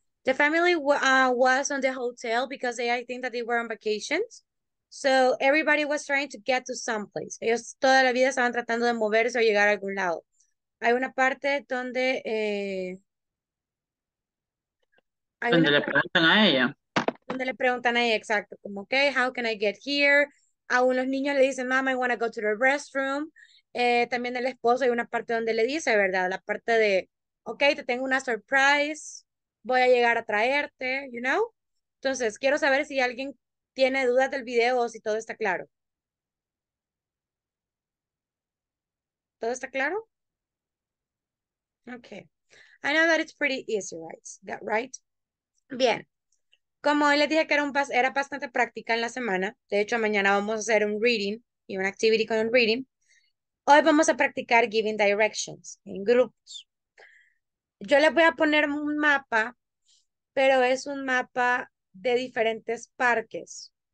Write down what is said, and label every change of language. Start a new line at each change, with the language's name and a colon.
English: The family was on the hotel because they, I think that they were on vacations. So everybody was trying to get to someplace.
Spanish: Ellos toda la vida estaban tratando de moverse o llegar a algún lado. Hay una parte donde... donde le preguntan a ella. Donde le preguntan a ella, exacto. Como, okay,
English: how can I get here?
Spanish: Aún los niños le dicen, mama, I want to go to the restroom. También el esposo, hay una parte donde le dice, ¿verdad? La parte de, okay, te tengo una surprise. Voy a llegar a traerte, you know? Entonces, quiero saber si alguien tiene dudas del video o si todo está claro. ¿Todo está claro?
English: Okay. I know that it's pretty easy, right? That right?
Spanish: Bien, como hoy les dije que era bastante práctica en la semana, de hecho mañana vamos a hacer un reading y una activity con un reading, hoy vamos a practicar giving directions en grupos. Yo les voy a poner un mapa, pero es un mapa de diferentes parques.